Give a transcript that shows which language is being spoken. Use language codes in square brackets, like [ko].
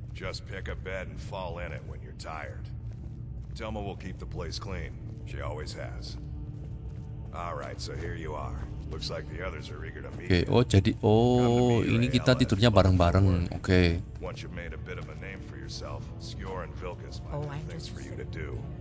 [en] Just pick a bed and fall in it when you're tired. Thelma will keep the place clean. She always has. All right, so here you are. Looks like the others are eager to meet. [id] Okay, oh jadi ini kita tidurnya bareng-bareng. Oke. Okay. [en] Once you've made a bit of a name for yourself, Skjor and Vilkas might have things for you to do.